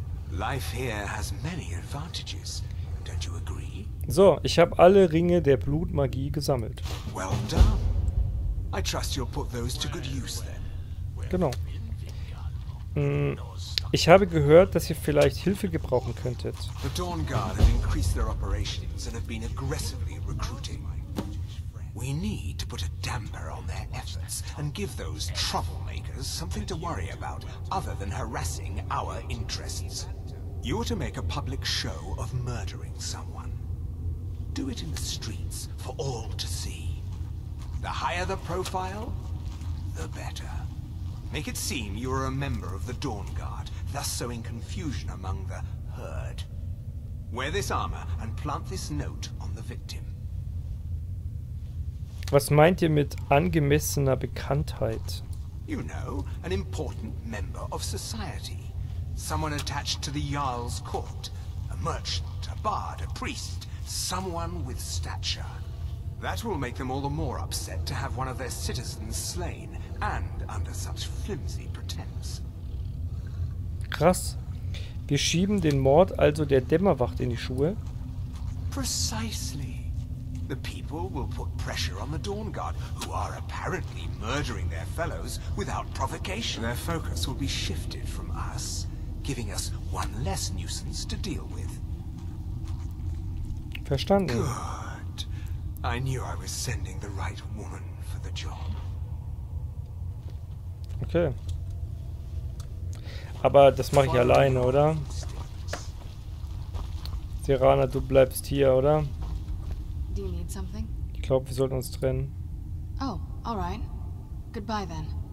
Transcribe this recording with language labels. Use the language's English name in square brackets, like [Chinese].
[English] Life here has many advantages. Don't you agree? [German] So, ich habe alle Ringe der Blutmagie gesammelt. [English] Well done. I trust you'll put those to good use then. [German] Genau. Ich habe gehört, dass ihr vielleicht Hilfe gebrauchen könntet. [English] The Dawn Guard have increased their operations and have been aggressively recruiting. We need to put a damper on their efforts and give those troublemakers something to worry about other than harassing our interests. You are to make a public show of murdering someone. Do it in the streets for all to see. The higher the profile, the better. Make it seem you are a member of the Dawn Guard, thus sowing confusion among the herd. Wear this armor and plant this note on the victim. Was meint ihr mit angemessener Bekanntheit? You know, an important member of society. Someone attached to the Jarl's court. A merchant, a bard, a priest. Someone with stature. That will make them all the more upset to have one of their citizens slain and under such flimsy pretense. [German] Krass. Wir schieben den Mord also der Dämmerwacht in die Schuhe? [English] Precisely. The people will put pressure on the Dawn Guard, who are apparently murdering their fellows without provocation. Their focus will be shifted from us, giving us one less nuisance to deal with. [German] Verstanden. [English] Good. I knew I was sending the right woman for the job. Okay. [German] Aber das mache ich alleine, oder? Serana, du bleibst hier, oder? Ich glaube, wir sollten uns trennen. [English] Oh, all right. Goodbye then.